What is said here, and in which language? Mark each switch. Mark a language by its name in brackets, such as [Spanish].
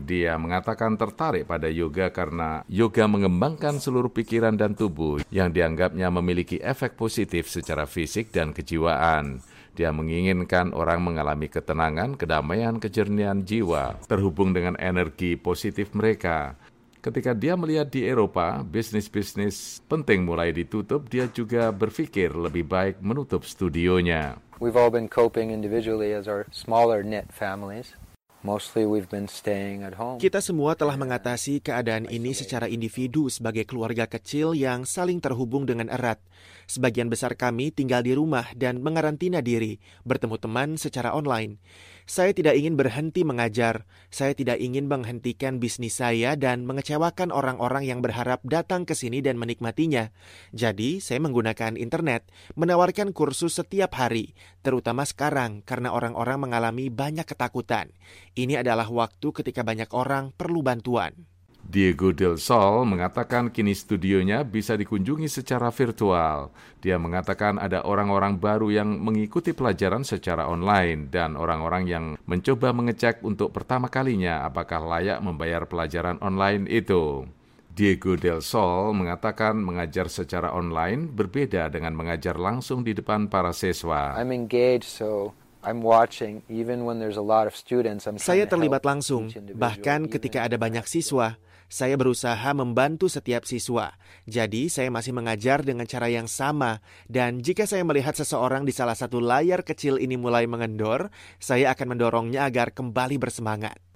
[Indonesian] Dia mengatakan tertarik pada yoga karena yoga mengembangkan seluruh pikiran dan tubuh yang dianggapnya memiliki efek positif secara fisik dan kejiwaan. Dia menginginkan orang mengalami ketenangan, kedamaian, kejernihan jiwa, terhubung dengan energi positif mereka. Ketika dia melihat di Eropa, bisnis-bisnis penting mulai ditutup, dia juga berpikir lebih baik menutup studionya. [English] We've all been coping individually as our smaller knit families. Mostly we've been staying at home. [Indonesian] Kita semua telah mengatasi keadaan ini secara individu sebagai keluarga kecil yang saling terhubung dengan erat. Sebagian besar kami tinggal di rumah dan mengarantina diri, bertemu teman secara online. Saya tidak ingin berhenti mengajar. Saya tidak ingin menghentikan bisnis saya dan mengecewakan orang-orang yang berharap datang ke sini dan menikmatinya. Jadi, saya menggunakan internet, menawarkan kursus setiap hari, terutama sekarang karena orang-orang mengalami banyak ketakutan. Ini adalah waktu ketika banyak orang perlu bantuan. Diego Del Sol mengatakan kini studionya bisa dikunjungi secara virtual. Dia mengatakan ada orang-orang baru yang mengikuti pelajaran secara online dan orang-orang yang mencoba mengecek untuk pertama kalinya apakah layak membayar pelajaran online itu. Diego Del Sol mengatakan mengajar secara online berbeda dengan mengajar langsung di depan para siswa. [English] I'm engaged, so I'm watching even when there's a lot of students. [Indonesian] Saya terlibat langsung, bahkan ketika ada banyak siswa. Saya berusaha membantu setiap siswa. Jadi saya masih mengajar dengan cara yang sama. Dan jika saya melihat seseorang di salah satu layar kecil ini mulai mengendor, saya akan mendorongnya agar kembali bersemangat.